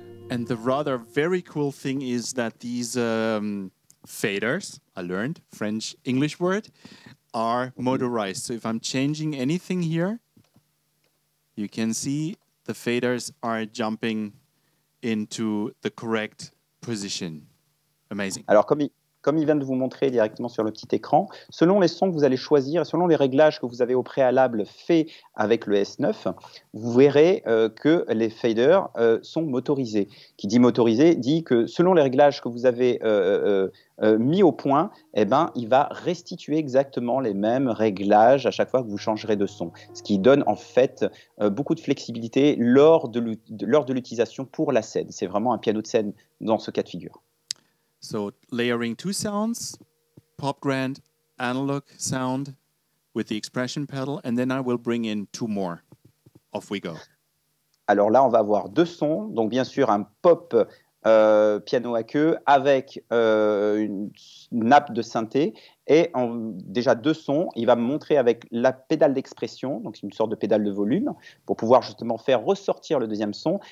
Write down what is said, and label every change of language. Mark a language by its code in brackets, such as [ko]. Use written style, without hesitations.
[en] And the rather very cool thing is that these faders, I learned French English word, are motorized. So if I'm changing anything here, you can see the faders are jumping into the correct position. Amazing. [fr] Alors, comme il vient de vous montrer directement sur le petit écran, selon les sons que vous allez choisir, selon les réglages que vous avez au préalable fait avec le S9, vous verrez que les faders sont motorisés. Qui dit motorisé dit que selon les réglages que vous avez mis au point, il va restituer exactement les mêmes réglages à chaque fois que vous changerez de son. Ce qui donne en fait beaucoup de flexibilité lors de l'utilisation pour la scène. C'est vraiment un piano de scène dans ce cas de figure. [en] So layering two sounds, pop grand, analog sound with the expression pedal, and then I will bring in two more. Off we go. [fr] Alors là, on va avoir deux sons. Donc bien sûr, un pop piano à queue avec une nappe de synthé. Et déjà deux sons, il va me montrer avec la pédale d'expression, donc c'est une sorte de pédale de volume, pour pouvoir justement faire ressortir le deuxième son.